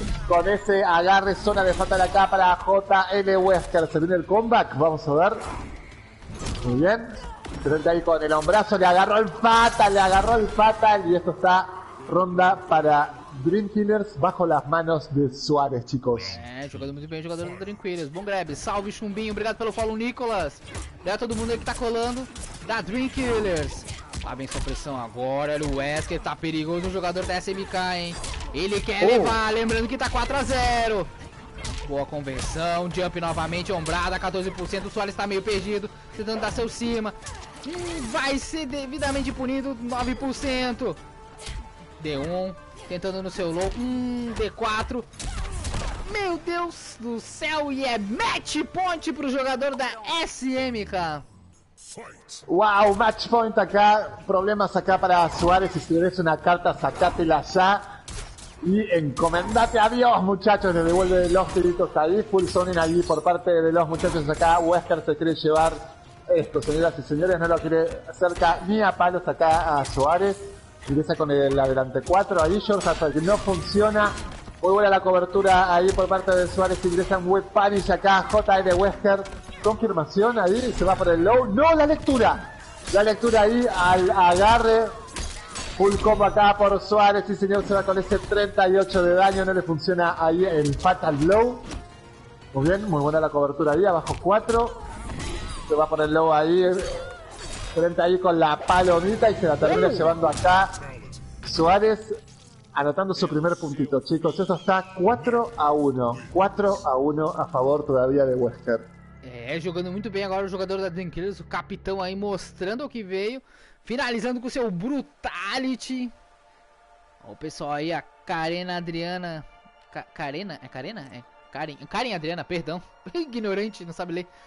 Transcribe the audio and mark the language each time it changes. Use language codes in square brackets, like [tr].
[es] Con ese agarre zona de fatal acá para JL Wesker. Se viene el comeback. Vamos a ver. Muy bien. Frente ahí con el hombrazo. Le agarró el fatal. Y esto está ronda para Dream Killers bajo las manos de Suárez, chicos. [pt] Jogando muito bem, jogador do Dream Killers. Bom grab. Salve, Chumbinho. Obrigado pelo follow, Nicolas. Obrigado a todo mundo aí que tá colando. Da Dream Killers. Lá vem sua pressão agora. Olha o Wesker. Tá perigoso o jogador da SMK, hein? Ele quer levar, lembrando que tá 4-0. Boa conversão, jump novamente, ombrada, 14%. O Suárez tá meio perdido, tentando dar seu cima. Vai ser devidamente punido, 9%. D1, tentando no seu low. D4. Meu Deus do céu, e é match point pro jogador da SMK. [es] Uau, match point acá. Problemas acá para Suárez. Si tienes una carta, sacátela ya. Y encomendate a Dios, muchachos. Le devuelve los tiritos ahí. Full zoning ahí por parte de los muchachos acá. Wesker se quiere llevar esto, señoras y señores. No lo quiere cerca ni a palos acá a Suárez. Ingresa con el adelante 4 ahí, George. Hasta que no funciona. Muy buena la cobertura ahí por parte de Suárez. Ingresa en Web Panic acá. JL Wesker. Confirmación ahí. Se va por el low. No, la lectura. La lectura ahí al agarre. Full combo acá por Suárez, sí señor, se va con ese 38 de daño, no le funciona ahí el Fatal Blow. Muy bien, muy buena la cobertura ahí, abajo 4. Se va por el low ahí, frente ahí con la palomita y se la termina llevando acá Suárez, anotando su primer puntito. Chicos, eso está 4-1, 4-1 a favor todavía de Wesker. [pt] Jogando muito bem agora o jogador da Dream Killers, o capitão aí mostrando o que veio. Finalizando com seu Brutality. Olha o pessoal aí, a Karen Adriana. Karen? É Karen? É Karen. Karen Adriana, perdão. Ignorante, não sabe ler.